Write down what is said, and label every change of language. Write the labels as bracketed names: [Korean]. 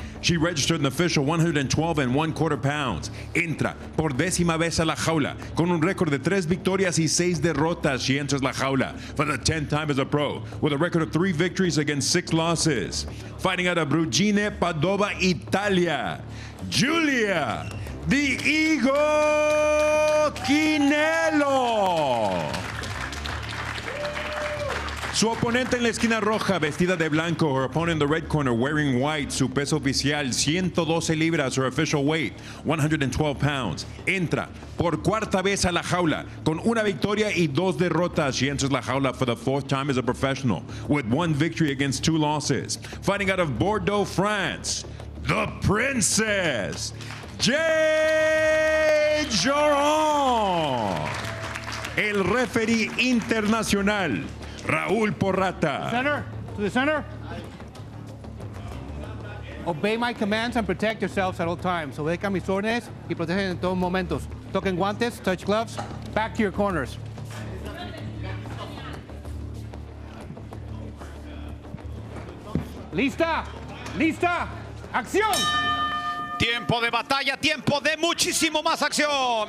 [English] She registered an official 112 and one quarter pounds. [Spanish] Entra por décima vez a la jaula con un récord de 3 victorias y 6 derrotas. [English] She enters [Spanish] la jaula [English] for the 10th time as a pro with a record of 3 victories against 6 losses. Fighting out of Brugine, Padova, Italia. Julia, the Eagle Quinello. [Spanish] Su oponente en la esquina roja, vestida de blanco. [English] Her opponent in the red corner, wearing white. [Spanish] Su peso oficial, 112 libras. [English] Her official weight, 112 pounds. [Spanish] Entra por cuarta vez a la jaula con una victoria y 2 derrotas. [English] She enters [Spanish] la jaula [English] for the 4th time as a professional with 1 victory against 2 losses. Fighting out of Bordeaux, France, the princess, Jade Jorong. [Spanish] El referee internacional, Raúl Porrata. [English] Center, to the center. Obey my commands and protect yourselves at all times. [Spanish] Obedezcan mis órdenes y protegen en todos momentos. Toquen guantes, [English] touch gloves, back to your corners. [Spanish] Lista, lista, acción. Tiempo de batalla, tiempo de muchísimo más acción.